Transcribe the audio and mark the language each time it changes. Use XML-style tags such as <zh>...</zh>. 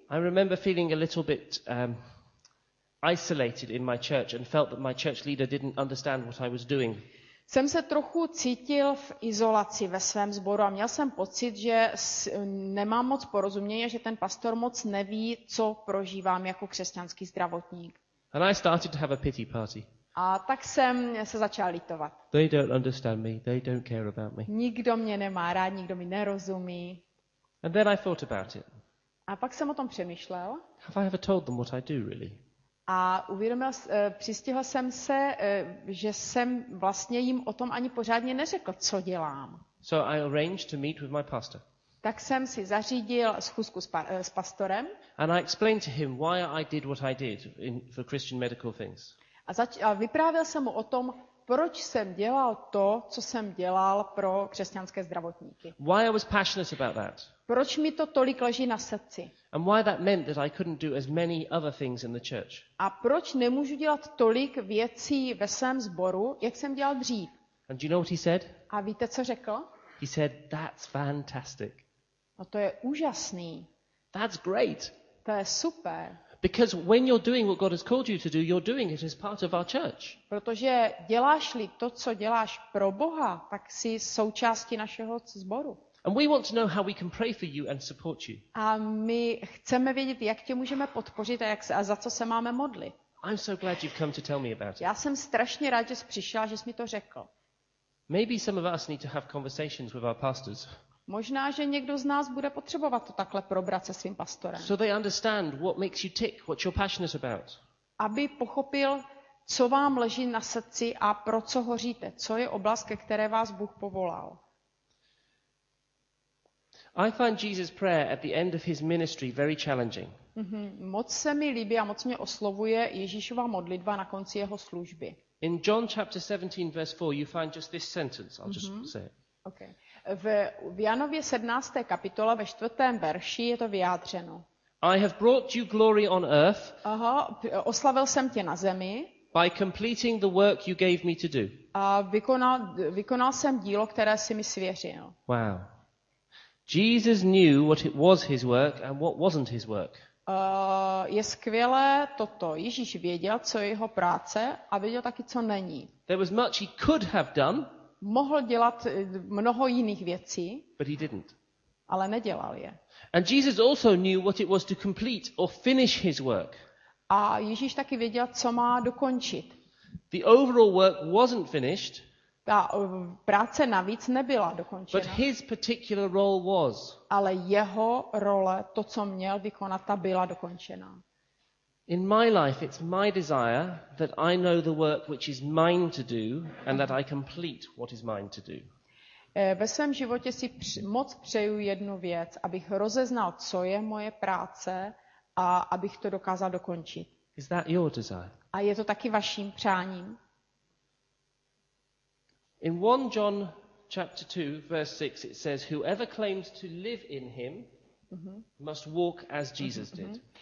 <en>I remember feeling a little bit isolated in my church and felt that my church leader didn't understand what I was doing.</en> <cs>Jsem se trochu cítil v izolaci ve svém sboru a měl jsem pocit, že nemám moc porozumění, že ten pastor moc neví, co prožívám jako křesťanský zdravotník.</cs> <en>And I started to have a pity party.</en> <cs>A tak jsem se začal litovat.</cs> <en>They don't understand me. They don't care about me.</en> <cs>Nikdo mě nemá rád, nikdo mi nerozumí.</cs> <en>And then I thought about it.</en> <cs>A pak jsem o tom přemýšlel.</cs> <en>Have I ever told them what I do really?</en> <cs>A uvědomil, přistihl jsem se, že jsem vlastně jim o tom ani pořádně neřekl, co dělám.</cs> <en>So I arranged to meet with my pastor.</en> <cs>Tak jsem si zařídil schůzku s pastorem.</cs> <en>And I explained to him why I did what I did in, for Christian medical things.</en> <cs>A vyprávěl jsem mu o tom, proč jsem dělal to, co jsem dělal pro křesťanské zdravotníky.</cs> <en>Why I was passionate about that.</en> <cs>Proč mi to tolik leží na srdci?</cs> <en>And why that meant that I couldn't do as many other things in the church.</en> <cs>A proč nemůžu dělat tolik věcí ve svém sboru, jak jsem dělal dřív?</cs> <en>And do you know what he said?</en> <cs>A víte, co řekl?</cs> <en>He said, that's fantastic.</en> <cs>No to je úžasný.</cs> <en>That's great.</en> <cs>To je super.</cs> <en>Because when you're doing what God has called you to do, you're doing it as part of our church.</en> <cs>Protože děláš-li to, co děláš pro Boha, tak jsi součástí našeho sboru.</cs> <en>And we want to know how we can pray for you and support you.</en> <cs>A my chceme vědět, jak tě můžeme podpořit a, jak, a za co se máme modlit.</cs> <en>I'm so glad you've come to tell me about it.</en> <cs>Já jsem strašně rád, že jsi přišel, že jsi mi to řekl.</cs> <en>Maybe some of us need to have conversations with our pastors.</en> <cs>Možná, že někdo z nás bude potřebovat to takhle probrat se svým pastorem.</cs> <en>So they understand what makes you tick, what you're passionate about.</en> <cs>Aby pochopil, co vám leží na srdci a pro co hoříte, co je oblast, ke které vás Bůh povolal.</cs> <en>I find Jesus' prayer at the end of his ministry very challenging.</en> <cs>Moc se mi líbí a moc mě oslovuje Ježíšova modlitba na konci jeho služby.</cs> <en>In John chapter 17 verse 4 you find just this sentence. I'll just say it.</en> <cs>Okay. V Janově 17. kapitole ve 4. verši je to vyjádřeno.</cs> <en>I have brought you glory on earth.</en> <cs>Aha, oslavil jsem tě na zemi.</cs> <en>By completing the work you gave me to do.</en> <cs>A vykonal jsem dílo, které jsi mi svěřil.</cs> <en>Wow. Jesus knew what it was his work and what wasn't his work.</en> <cs>Je skvělé toto. Ježíš věděl, co je jeho práce a věděl taky, co není.</cs> <en>There was much he could have done,</en> <cs>mohl dělat mnoho jiných věcí,</cs> <en>but he didn't.</en> <cs>Ale nedělal je.</cs> <en>And Jesus also knew what it was to complete or finish his work.</en> <cs>A Ježíš taky věděl, co má dokončit.</cs> <en>The overall work wasn't finished,</en> <cs>ta práce navíc nebyla dokončena.</cs> <en>But his particular role was.</en> <cs>Ale jeho role, to, co měl vykonat, ta byla dokončena.</cs> <en>In my life, it's my desire that I know the work which is mine to do and that I complete what is mine to do.</en> <cs>Ve svém životě si moc přeju jednu věc, abych rozeznal, co je moje práce a abych to dokázal dokončit.</cs> <en>Is that your desire?</en> <cs>A je to taky vaším přáním?</cs> <en>In 1 John chapter 2 verse 6 it says whoever claims to live in him must walk as Jesus did.</en>